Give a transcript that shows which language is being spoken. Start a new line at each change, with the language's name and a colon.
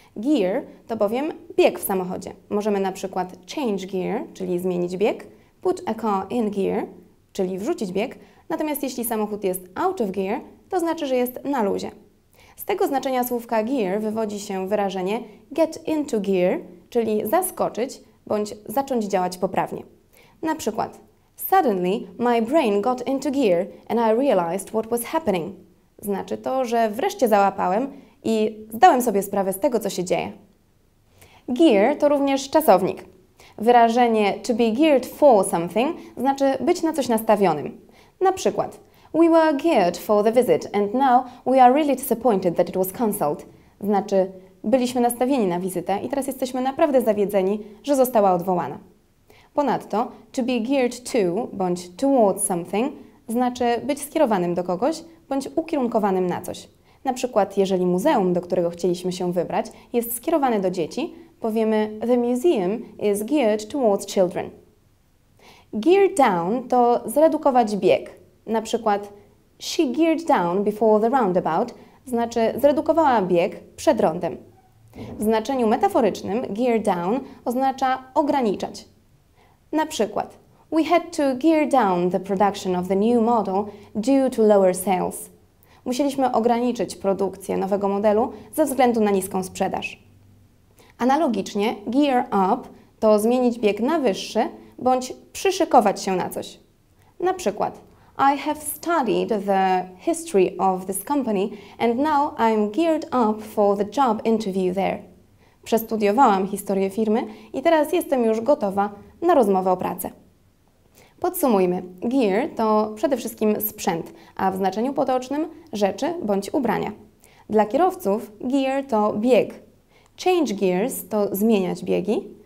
Polish: Gear to bowiem bieg w samochodzie. Możemy na przykład
English: change gear,
Polish: czyli zmienić bieg,
English: put a car in gear,
Polish: czyli wrzucić bieg, natomiast jeśli samochód jest
English: out of gear,
Polish: to znaczy, że jest na luzie. Z tego znaczenia słówka gear wywodzi się wyrażenie
English: get into gear,
Polish: czyli zaskoczyć bądź zacząć działać poprawnie. Na przykład
English: suddenly my brain got into gear and I realized what was happening.
Polish: Znaczy to, że wreszcie załapałem i zdałem sobie sprawę z tego, co się dzieje. Gear to również czasownik. Wyrażenie
English: to be geared for something
Polish: znaczy być na coś nastawionym. Na przykład
English: we were geared for the visit and now we are really disappointed that it was cancelled.
Polish: Znaczy byliśmy nastawieni na wizytę i teraz jesteśmy naprawdę zawiedzeni, że została odwołana. Ponadto
English: to be geared to
Polish: bądź
English: towards something
Polish: znaczy być skierowanym do kogoś bądź ukierunkowanym na coś. Na przykład jeżeli muzeum, do którego chcieliśmy się wybrać, jest skierowane do dzieci, powiemy
English: the museum is geared towards children. Gear down
Polish: to zredukować bieg. Na przykład
English: she geared down before the roundabout
Polish: znaczy zredukowała bieg przed rondem. W znaczeniu metaforycznym
English: gear down
Polish: oznacza ograniczać. Na przykład
English: we had to gear down the production of the new model due to lower sales.
Polish: Musieliśmy ograniczyć produkcję nowego modelu ze względu na niską sprzedaż. Analogicznie
English: gear up
Polish: to zmienić bieg na wyższy bądź przyszykować się na coś. Na przykład
English: I have studied the history of this company and now I'm geared up for the job interview there.
Polish: Przestudiowałam historię firmy i teraz jestem już gotowa na rozmowę o pracę. Podsumujmy. Gear to przede wszystkim sprzęt, a w znaczeniu potocznym rzeczy bądź ubrania. Dla kierowców gear to bieg.
English: Change gears
Polish: to zmieniać biegi.